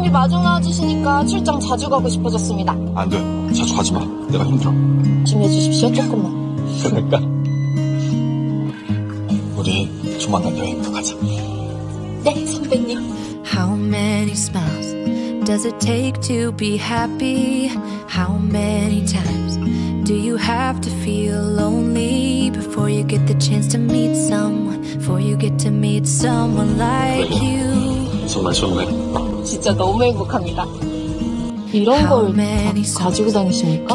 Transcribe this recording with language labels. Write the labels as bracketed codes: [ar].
[ko] 좋아지시니까 출장 자주 가고 싶어졌습니다. 안 돼. 자주 가지 마. 내가 힘들어. 좀 해주십시오, 조금만. 그러니까. 우리 조만간 여행도 가자. 네, 선배님. [en] How many smiles does it take to be happy? How many times do you have to feel lonely before you get the chance to meet someone? Before you get to meet someone like you. [ko] 정말 좋네. 진짜 너무 행복합니다. 이런 걸 다 가지고 다니십니까?